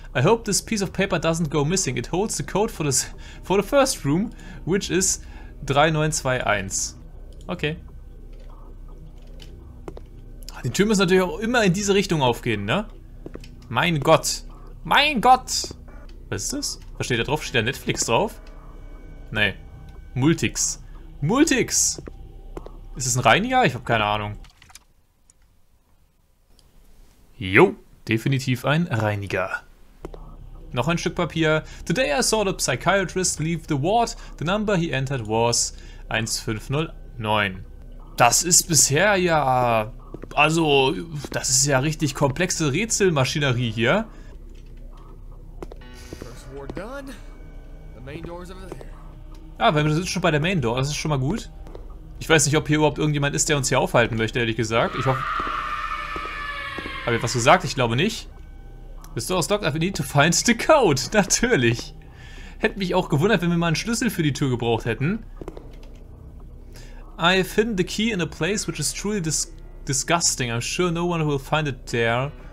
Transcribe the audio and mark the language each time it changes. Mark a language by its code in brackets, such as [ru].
[en] I hope this piece of paper doesn't go missing. It holds the code for the first room, which is... 3921. Okay. [de] Die Tür muss natürlich auch immer in diese Richtung aufgehen, ne? Mein Gott. Mein Gott. Was ist das? Was steht da drauf? Steht da Netflix drauf? Nee. Multix. Multix. Ist es ein Reiniger? Ich habe keine Ahnung. Jo. Definitiv ein Reiniger. Noch ein Stück Papier. [en] Today I saw the psychiatrist leave the ward. The number he entered was 1509. [de] Das ist bisher ja. Also, das ist ja richtig komplexe Rätselmaschinerie hier. [en] First floor done. The main door's over there. [de] Ja, wir sind schon bei der Main Door, das ist schon mal gut. Ich weiß nicht, ob hier überhaupt irgendjemand ist, der uns hier aufhalten möchte, ehrlich gesagt. Ich hoffe. Habe ich was gesagt? Ich glaube nicht. Bist du aus Dock? [en] We need to find the code. [de] Natürlich. Hätte mich auch gewundert, wenn wir mal einen Schlüssel für die Tür gebraucht hätten. [en] I find the key in a place which is truly disgusting. I'm sure no one will find it there.